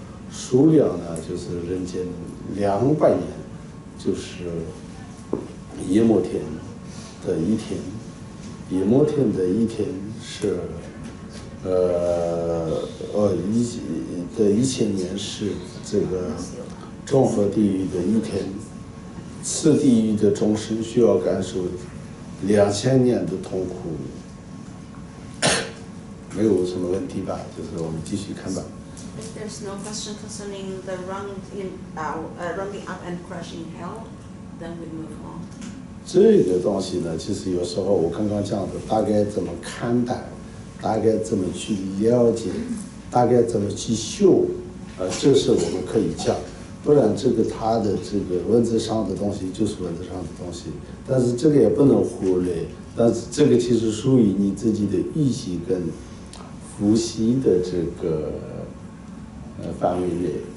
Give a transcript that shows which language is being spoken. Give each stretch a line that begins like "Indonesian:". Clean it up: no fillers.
Chinese: 数量呢就是人间200年，就是夜摩天的一天，夜摩天的一天是1000年是这个中和地狱的一天，次地狱的众生需要感受2000年的痛苦，没有什么问题吧？就是我们继续看吧。
English: If there's no question concerning the running up and crushing hell, then we move on.
Chinese: 这个东西呢，其实有时候我刚刚讲的，大概怎么看待，大概怎么去了解，大概怎么去修，这是我们可以讲。不然这个他的这个文字上的东西就是文字上的东西，但是这个也不能忽略，但是这个其实属于你自己的预习跟复习的这个范围内。